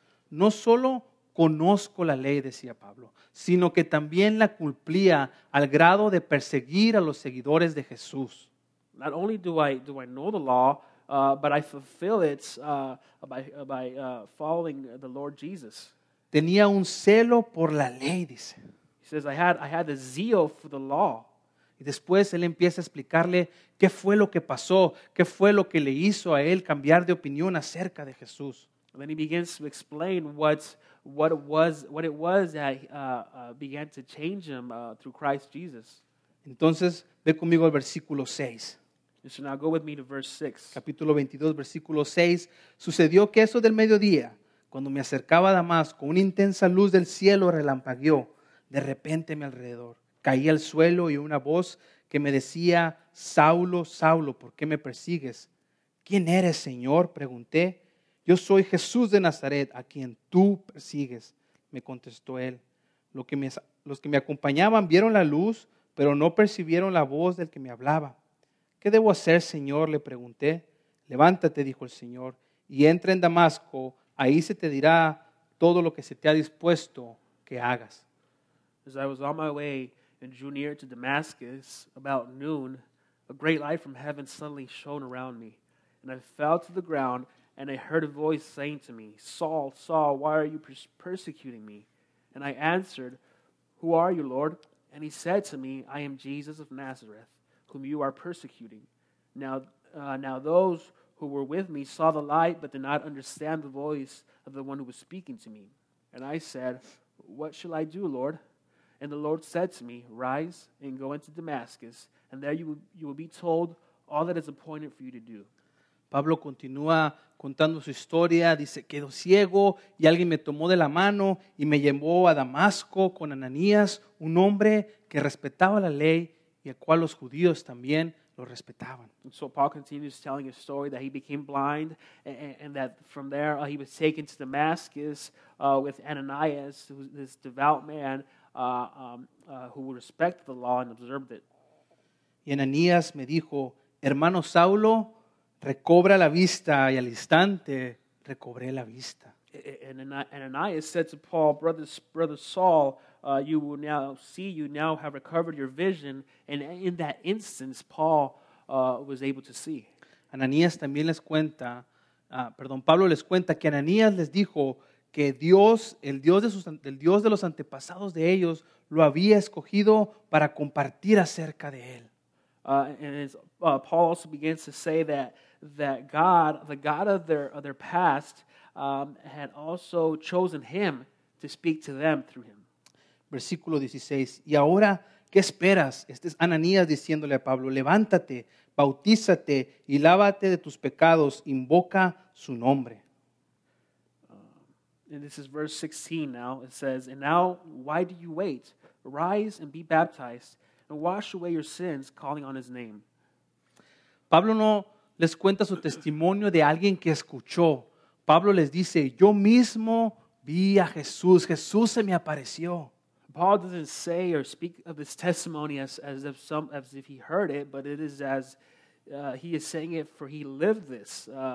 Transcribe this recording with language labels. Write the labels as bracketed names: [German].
[Spanish] No solo conozco la ley, decía Pablo, sino que también la cumplía al grado de perseguir a los seguidores de Jesús. [English] Not only do I know the law, but I fulfill it by following the Lord Jesus. [Spanish] Tenía un celo por la ley, dice. [English] He says, I had a zeal for the law. [Spanish] Y después él empieza a explicarle qué fue lo que pasó, qué fue lo que le hizo a él cambiar de opinión acerca de Jesús. [English] And then he begins to explain what it was that began to change him through Christ Jesus. [Spanish] Entonces, ve conmigo al versículo 6. [English] So now go with me to verse 6. [Spanish] Capítulo 22, versículo 6. Sucedió que eso del mediodía, cuando me acercaba a Damasco, una intensa luz del cielo relampagueó de repente a mi alrededor. Caí al suelo y una voz que me decía, Saulo, Saulo, ¿por qué me persigues? ¿Quién eres, Señor? Pregunté. Yo soy Jesús de Nazaret, a quien tú persigues, me contestó él. Los que me acompañaban vieron la luz, pero no percibieron la voz del que me hablaba. ¿Qué debo hacer, Señor? Le pregunté. Levántate, dijo el Señor, y entra en Damasco. Ahí se te dirá todo lo que se te ha dispuesto que hagas. [English] As I was on my way and drew near to Damascus, about noon, a great light from heaven suddenly shone around me, and I fell to the ground. And I heard a voice saying to me, Saul, Saul, why are you persecuting me? And I answered, Who are you, Lord? And he said to me, I am Jesus of Nazareth, whom you are persecuting. Now those who were with me saw the light, but did not understand the voice of the one who was speaking to me. And I said, What shall I do, Lord? And the Lord said to me, Rise and go into Damascus, and there you will be told all that is appointed for you to do. [Spanish] Pablo continúa contando su historia, dice, quedó ciego y alguien me tomó de la mano y me llevó a Damasco con Ananías, un hombre que respetaba la ley y al cual los judíos también lo respetaban. [English] And so Paul continues telling his story that he became blind and that from there he was taken to Damascus with Ananias, who was this devout man who respect the law and observed it. [Spanish] Y Ananías me dijo, hermano Saulo, recobra la vista, y al instante recobré la vista. [English] And Ananias said to Paul, brother Saul, you will now see, you now have recovered your vision. And in that instance, Paul was able to see. [Spanish] Ananías también les cuenta, Pablo les cuenta que Ananías les dijo que Dios, el Dios de los antepasados de ellos, lo había escogido para compartir acerca de él. [English] Paul also begins to say that God, the God of their past, had also chosen him to speak to them through him. [Spanish] Versículo 16, y ahora, ¿qué esperas? Este es Ananías diciéndole a Pablo, levántate, bautízate y lávate de tus pecados, invoca su nombre. [English] And this is verse 16 now. It says, and now, why do you wait? Rise and be baptized and wash away your sins, calling on his name. [Spanish] Pablo no les cuenta su testimonio de alguien que escuchó. Pablo les dice, yo mismo vi a Jesús. Jesús se me apareció. [English] Paul doesn't say or speak of his testimony as if he heard it, but it is as he is saying it, for he lived this.